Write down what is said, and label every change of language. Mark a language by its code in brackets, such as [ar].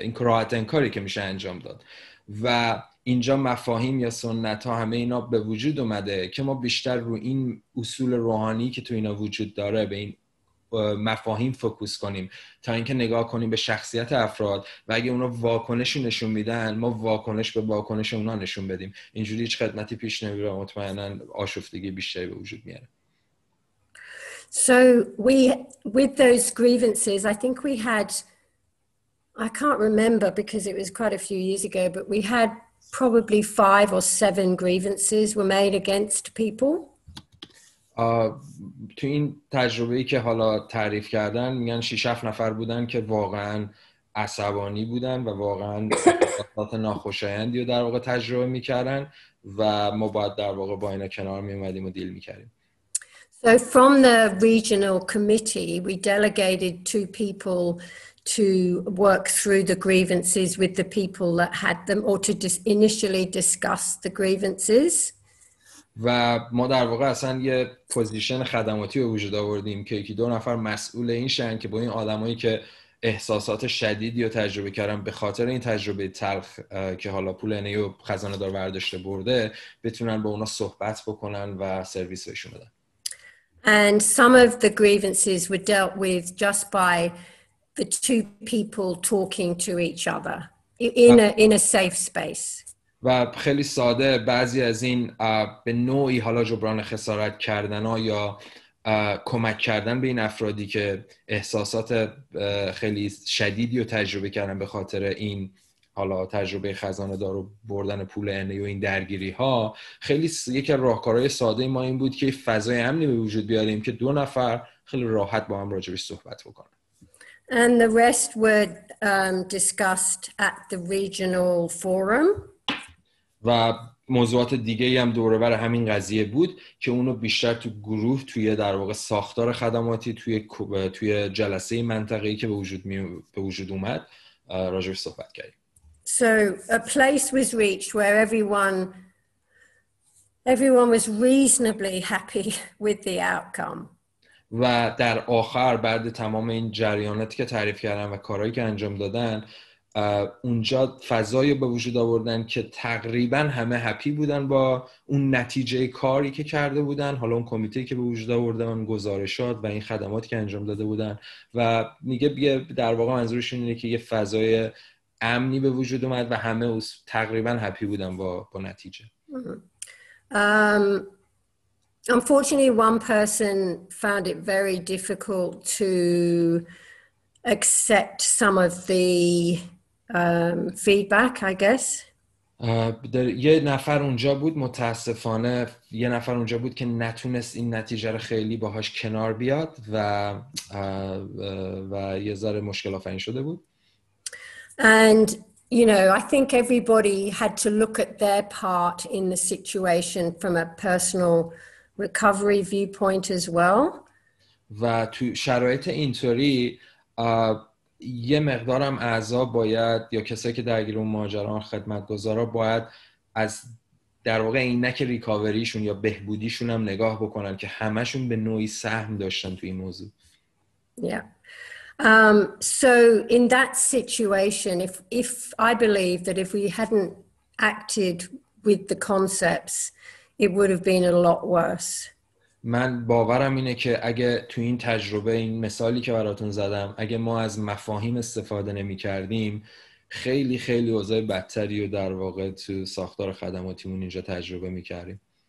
[fa] این راحت انکاری که میشه انجام داد و اینجا مفاهیم یا سنت ها همه اینا به وجود اومده که ما بیشتر رو این اصول روحانی که تو اینا وجود داره به این مفاهیم فوکوس کنیم تا اینکه نگاه کنیم به شخصیت افراد و اگه اونا واکنشی نشون میدن ما واکنش به واکنش اونا نشون بدیم. اینجوری هیچ خدمتی پیش نمیره، مطمئنا آشفتگی بیشتری به وجود میاره. [en] So we with those grievances I think we had I can't remember because it was quite a few years ago but we had probably 5 or 7 grievances were made against people. [fa] تو این تجربه‌ای که حالا تعریف کردن میگن 6-7 نفر بودن که واقعا عصبانی بودن و واقعا احساسات ناخوشایندی رو در واقع تجربه میکردن و ما باید در واقع با اینا کنار میومدیم و دیل میکردیم. [en] So from the regional committee we delegated 2 people to work through the grievances with the people that had them or to just initially discuss the grievances. [fa] و ما در واقع اصلا یه پوزیشن خدماتی به وجود آوردیم که یکی 2 نفر مسئول این شن که با این آدمایی که احساسات شدیدی رو تجربه کردم به خاطر این تجربه تلخ که حالا پول اینه و خزانه دار ورداشته برده، بتونن با اونا صحبت بکنن و سرویس بهشون بدن. [en] And some of the grievances were dealt with just by the two people talking to each other in a safe space. [fa] و خیلی ساده بعضی از این به نوعی حالا جبران خسارت کردن ها یا کمک کردن به این افرادی که احساسات خیلی شدیدی رو تجربه کردن به خاطر این حالا تجربه خزانه دار و بردن پول اینه و این درگیری ها، خیلی یکی از راهکارهای ساده ما این بود که فضای امنی به وجود بیاریم که دو نفر خیلی راحت با هم راجبش صحبت بکنن. [en] And the rest were discussed at the regional forum. [fa] و موضوعات دیگه ای هم دوره بر همین قضیه بود که اونو بیشتر تو گروه توی در واقع ساختار خدماتی توی جلسه منطقه‌ای که به وجود اومد راجعش صحبت کردیم. [en] So a place was reached where everyone was reasonably happy with the outcome. [fa] و در آخر بعد تمام این جریاناتی که تعریف کردن و کارهایی که انجام دادن، اونجا فضای به وجود آوردن که تقریبا همه هپی بودن با اون نتیجه کاری که کرده بودن، حالا اون کمیته که به وجود آوردن، گزارشات و این خدماتی که انجام داده بودن. و میگه بیه در واقع منظورشون اینه که یه فضای امنی به وجود اومد و همه تقریبا هپی بودن با نتیجه. [en] Unfortunately, one person found it very difficult to accept some of the feedback, I guess. [fa] یه نفر اونجا بود، متاسفانه یه نفر اونجا بود که نتونست این نتیجه رو خیلی باهاش کنار بیاد و یه ذره مشکل آفرین شده بود. [en] And you know, I think everybody had to look at their part in the situation from a personal recovery viewpoint as well. [fa] و تو شرایط اینطوری یه مقدارم اعضا باید یا کسایی که درگیر اون ماجران خدمتگزارا باید از در واقع اینک ریکاوریشون یا بهبودیشون هم نگاه بکنن که همشون به نوعی سهم داشتن تو این موضوع. [en] So in that situation if I believe that if we hadn't acted with the concepts it would have been a lot worse. [fa] من باورم اینه که اگه تو این تجربه، این مثالی که براتون زدم، اگه ما از مفاهیم استفاده نمی کردیم، خیلی خیلی اوضاع بدتری و در واقع تو ساختار خدماتیمون اینجا تجربه می کردیم.